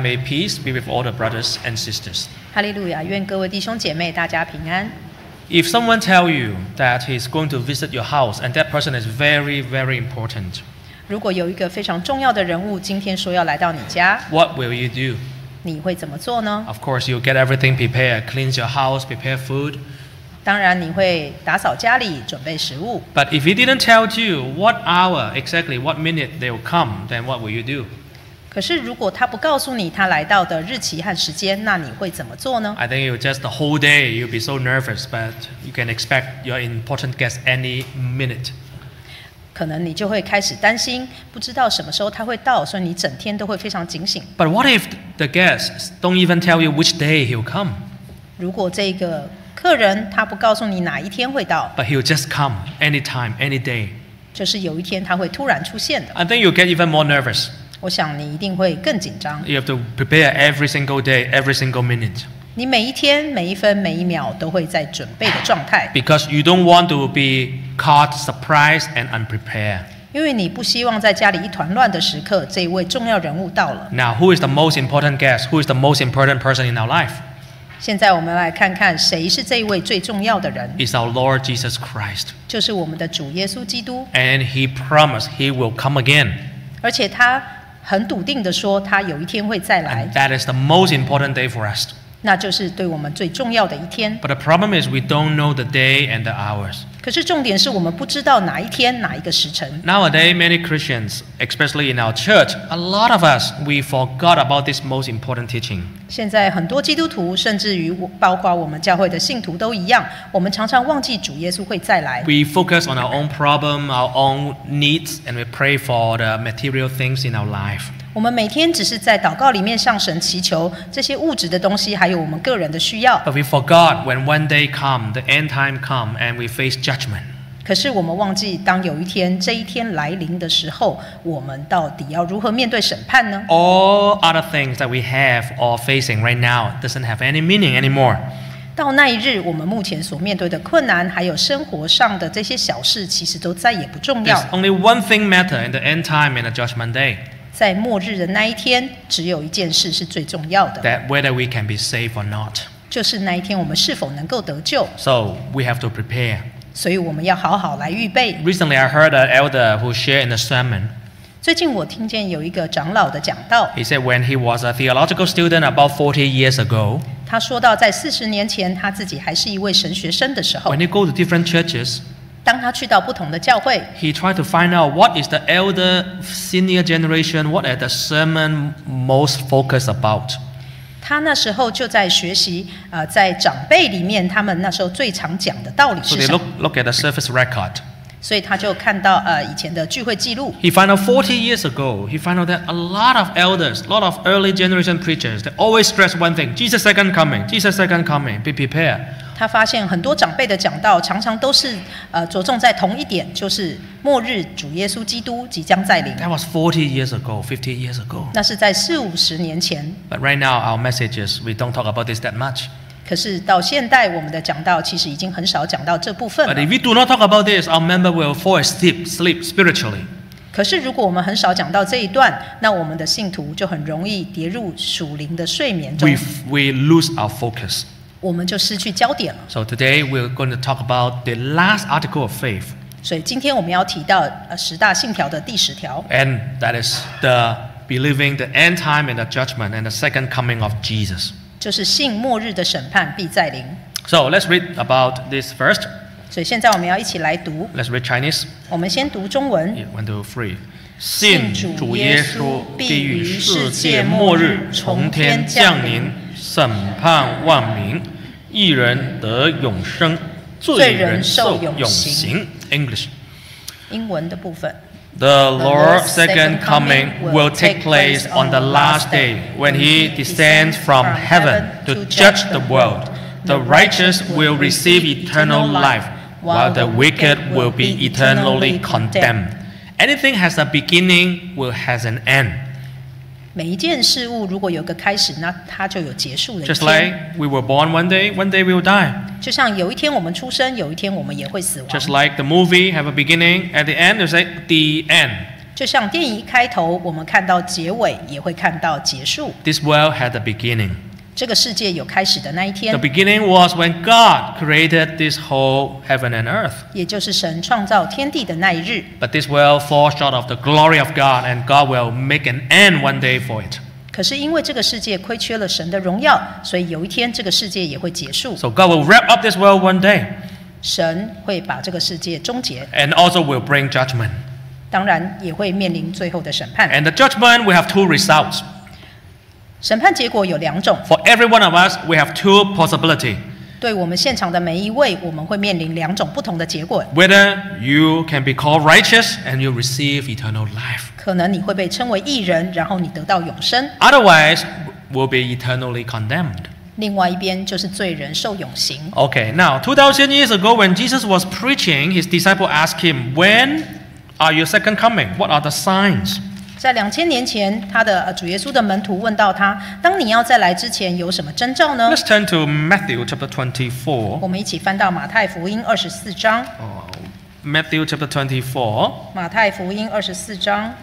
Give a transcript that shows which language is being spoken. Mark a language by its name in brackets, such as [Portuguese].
[English] May peace be with all the brothers and sisters. Hallelujah. [Chinese] 愿各位弟兄姐妹大家平安。 [English] If someone tell you that he's going to visit your house and that person is very, very important, [Chinese] 如果有一个非常重要的人物今天说要来到你家， [English] what will you do? [Chinese] 你会怎么做呢？ [English] Of course, you'll get everything prepared, clean your house, prepare food. [Chinese] 当然你会打扫家里，准备食物。 [English] But if he didn't tell you what hour, exactly what minute they will come, then what will you do? [Chinese] 可是如果他不告诉你他来到的日期和时间，那你会怎么做呢？ [English] I think you just the whole day you'll be so nervous, but you can expect your important guest any minute. [Chinese] 可能你就会开始担心，不知道什么时候他会到，所以你整天都会非常警醒。 [English] But what if the guests don't even tell you which day he'll come? [Chinese] 如果这个客人他不告诉你哪一天会到 [English] ，But he'll just come anytime, any day. [Chinese] 就是有一天他会突然出现的。 [English] I think you'll get even more nervous. [Chinese] 我想你一定会更紧张。 [English] You have to prepare every single day, every single minute. [Chinese] 你每一天、每一分、每一秒都会在准备的状态。 [English] Because you don't want to be caught surprised and unprepared. [Chinese] 因为你不希望在家里一团乱的时刻，这一位重要人物到了。 [English] Now, who is the most important guest? Who is the most important person in our life? [Chinese] 现在我们来看看谁是这一位最重要的人。 [English] It's our Lord Jesus Christ. [Chinese] 就是我们的主耶稣基督。 [English] And He promised He will come again. [Chinese] 而且他很笃定地说他有一天会再来。 [English] That is the most important day for us. [Chinese] 那就是对我们最重要的一天。 [English] But the problem is we don't know the day and the hours. [Chinese] 可是重点是我们不知道哪一天哪一个时辰。 [English] Nowadays, many Christians, especially in our church, a lot of us, we forgot about this most important teaching. [Chinese] 现在很多基督徒甚至于包括我们教会的信徒都一样，我们常常忘记主耶稣会再来。 [English] We focus on our own problem, our own needs, and we pray for the material things in our life. [Chinese] 我们每天只是在祷告里面向神祈求这些物质的东西，还有我们个人的需要。 [English] But we forgot when one day come, the end time come, and we face judgment. [Chinese] 可是我们忘记，当有一天这一天来临的时候，我们到底要如何面对审判呢？ [English] All other things that we have or facing right now doesn't have any meaning anymore. [Chinese] 到那一日，我们目前所面对的困难，还有生活上的这些小事，其实都再也不重要。 [English] There's only one thing matter in the end time and the judgment day. [Chinese] 在末日的那一天，只有一件事是最重要的。 [English] That whether we can be saved or not. [Chinese] 就是那一天我们是否能够得救。 [English] So we have to prepare. [Chinese] 所以我们要好好来预备。 [English] Recently, I heard an elder who shared in a sermon. [Chinese] 最近我听见有一个长老的讲道。 [English] He said when he was a theological student about 40 years ago. [Chinese] 他说到在四十年前他自己还是一位神学生的时候。 [English] When he go to different churches. [Chinese] 当他去到不同的教会， [English] he tried to find out what is the elder senior generation, what are the sermon most focused about. [Chinese] 他那时候就在学习，在长辈里面，他们那时候最常讲的道理是什么。 [English] So they look at the service record. [Chinese] 所以他就看到，以前的聚会记录。 [English] He found out 40 years ago, he found out that a lot of elders, a lot of early generation preachers, they always stress one thing, Jesus second coming, Jesus second coming, be prepared. [Chinese] 他发现很多长辈的讲道常常都是着重在同一点，就是末日主耶稣基督即将再临。 [English] That was 40 years ago, 50 years ago. [Chinese] 那是在四五十年前。 [English] But right now our messages we don't talk about this that much. [Chinese] 可是到现代我们的讲道其实已经很少讲到这部分了。 [English] But if we do not talk about this, our member will fall asleep, sleep spiritually. [Chinese] 可是如果我们很少讲到这一段，那我们的信徒就很容易跌入属灵的睡眠中。 [English] We lose our focus. [Chinese] 我们就失去焦点了。 [English] So today we're going to talk about the last article of faith. [Chinese] 所以今天我们要提到十大信条的第十条。 [English] And that is the believing the end time and the judgment and the second coming of Jesus. [Chinese] 就是信末日的审判必再临。 [English] So let's read about this first. [Chinese] 所以现在我们要一起来读。 [English] Let's read Chinese. [Chinese] 我们先读中文。 [English] One, two, three. [Chinese] 信主耶稣必于世界末日从天降临。审判万民，一人得永生，罪人受永刑。 [English] English， [Chinese] 英文的部分。 [English] The Lord's second coming will take place on the last day when He descends from heaven to judge the world. The righteous will receive eternal life, while the wicked will be eternally condemned. Anything has a beginning, will has an end. [Chinese] 每一件事物如果有个开始，那它就有结束的一天。 [English] Just like we were born one day we will die. [Chinese] 就像有一天我们出生，有一天我们也会死亡。 [English] Just like the movie have a beginning, at the end you say the end. [Chinese] 就像电影一开头，我们看到结尾，也会看到结束。 [English] This world had a beginning. [Chinese] 这个世界有开始的那一天。 [English] The beginning was when God created this whole heaven and earth. [Chinese] 也就是神创造天地的那一日。 [English] But this world falls short of the glory of God, and God will make an end one day for it. [Chinese] 可是因为这个世界亏缺了神的荣耀，所以有一天这个世界也会结束。 [English] So God will wrap up this world one day. [Chinese] 神会把这个世界终结。 [English] And also will bring judgment. [Chinese] 当然也会面临最后的审判。 [English] And the judgment, we have two results. [Chinese] 审判结果有两种。 [English] For every one of us, we have two possibilities. [Chinese] 对我们现场的每一位，我们会面临两种不同的结果。 [English] Whether you can be called righteous and you receive eternal life. [Chinese] 可能你会被称为义人，然后你得到永生。 [English] Otherwise, we'll be eternally condemned. [Chinese] 另外一边就是罪人受永刑。 [English] Okay, now 2,000 years ago, when Jesus was preaching, his disciple asked him, when? Are your second coming? What are the signs? [Chinese] 在2000年前，他的主耶稣的门徒问到他，当你要再来之前，有什么征兆呢？ [English] Let's turn to Matthew chapter 24. [Chinese] 我们一起翻到马太福音二十四章。 [English] Matthew chapter 24. [Chinese] 马太福音二十四章。